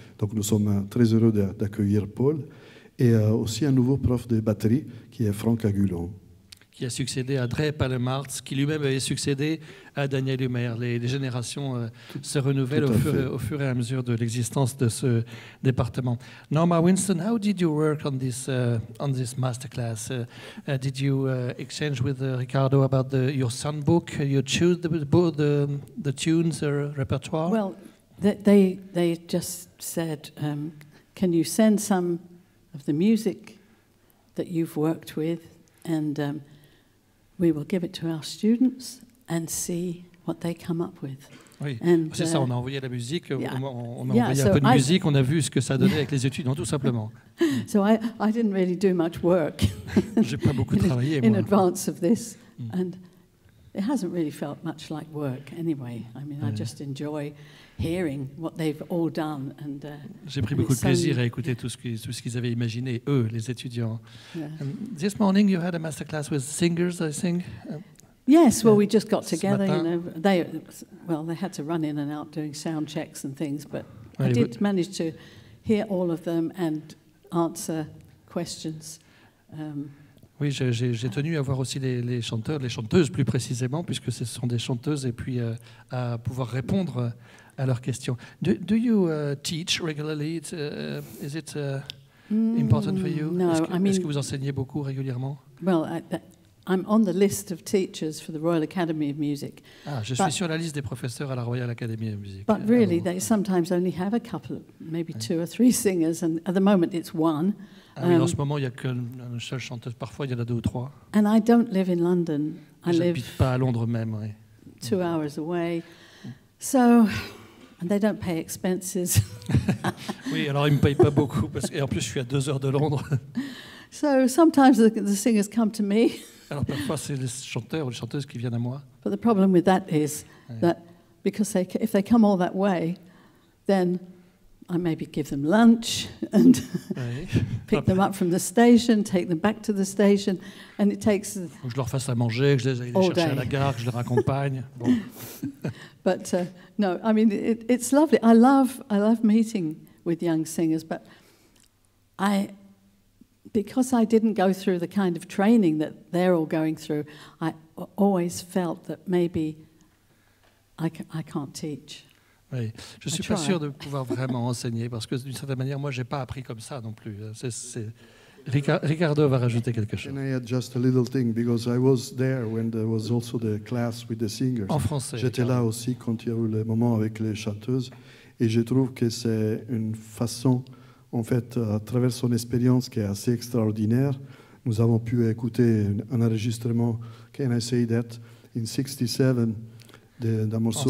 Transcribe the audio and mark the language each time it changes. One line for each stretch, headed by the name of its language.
French: Donc nous sommes très heureux d'accueillir Paul. Et aussi un nouveau prof de batterie, qui est Franck Agulon. Qui a succédé à Dre Palemartz, qui lui-même avait succédé à Daniel Humer. Les générations se renouvellent au fur et à mesure de l'existence de ce département.
English: Norma Winston, how did you work on this masterclass? Did you exchange with Ricardo about your songbook? You choose the tunes or repertoire? Well, they just said, can you send some of the music that you've worked with, and we will give it to our students and see what they come up with.
French: Oui, and, c'est ça, on a envoyé la musique, on a envoyé un peu de musique, on a vu ce que ça donnait avec les étudiants, tout simplement.
English: So I didn't really do much work
French: j'ai pas beaucoup travaillé,
English: in advance of this. Mm. And it hasn't really felt much like work anyway. I mean, oui. I just enjoy hearing what they've all done. And,
French: j'ai pris beaucoup de plaisir à écouter tout ce qu'ils avaient imaginé, eux, les étudiants.
English: Yeah. This morning you had a masterclass with singers, I think. Yes, well, we just got together. You know, they had to run in and out doing sound checks and things, but oui, I did manage to hear all of them and answer questions.
French: Oui, j'ai tenu à voir aussi les chanteurs, les chanteuses plus précisément, puisque ce sont des chanteuses, et puis à pouvoir répondre à leurs questions.
English: Do you teach regularly? Is it important for you? No,
French: est-ce que vous enseignez beaucoup régulièrement?
English: Well, I'm on the list of teachers for the Royal Academy of Music.
French: Ah, je suis sur la liste des professeurs à la Royal Academy of Music.
English: But really, they sometimes only have a couple, maybe two or three singers, and at the moment it's one.
French: Ah oui, en ce moment, il n'y a qu'une seule chanteuse. Parfois, il y en a deux ou trois.
English: And I don't live in London.
French: J'habite pas à Londres même. Oui.
English: Two hours away. So, and they don't pay expenses.
French: Oui, alors ils ne me payent pas beaucoup. Et en plus, je suis à deux heures de Londres.
English: So, sometimes the singers come to me.
French: Alors parfois, c'est les chanteurs ou les chanteuses qui viennent à moi.
English: But the problem with that is that because if they come all that way, then I maybe give them lunch and pick them up from the station, take them back to the station, and it takes all
French: day. Je leur fasse à manger, que je les aille chercher à la gare, que je les raccompagne.
English: But no, I mean, it's lovely. I love meeting with young singers, but because I didn't go through the kind of training that they're all going through, I always felt that maybe I can't teach.
French: Oui, je ne suis pas sûr de pouvoir vraiment enseigner, parce que d'une certaine manière, moi, je n'ai pas appris comme ça non plus. Ricardo va rajouter quelque chose.
English: Can I add just a little thing, because I was there when there was also the class with the singers.
French: En français. J'étais là aussi quand il y a eu le moment avec les chanteuses, et je trouve que c'est une façon, en fait, à travers son expérience qui est assez extraordinaire, nous avons pu écouter un enregistrement,
English: can I say that,
French: in 67, d'un morceau